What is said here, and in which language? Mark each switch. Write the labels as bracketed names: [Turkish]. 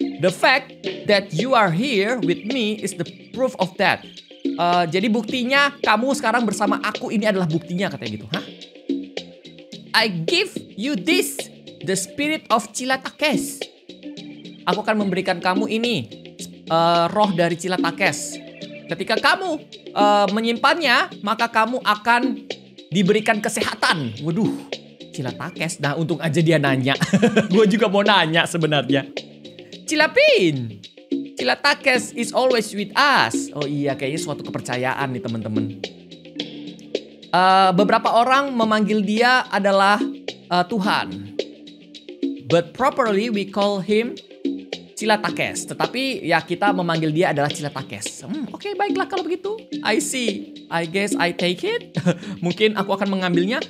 [English] The fact that you are here with me is the proof of that. [Indonesian] Jadi buktinya kamu sekarang bersama aku ini adalah buktinya katanya gitu. Hah? [English] I give you this, the spirit of Chilatekes. [Indonesian] Aku akan memberikan kamu ini, roh dari Chilatekes. Ketika kamu menyimpannya, maka kamu akan diberikan kesehatan. Waduh, Chilatekes. Nah, untung aja dia nanya. Gue juga mau nanya sebenarnya. [English] Chilapin, Chilatekes is always with us. [Indonesian] Oh iya, kayaknya suatu kepercayaan nih teman-teman. Beberapa orang memanggil dia adalah Tuhan. [English] But properly we call him Chilatekes. [Indonesian] Tetapi ya kita memanggil dia adalah Chilatekes. Okay, baiklah kalau begitu. [English] I see. I guess I take it. [Indonesian] Mungkin aku akan mengambilnya.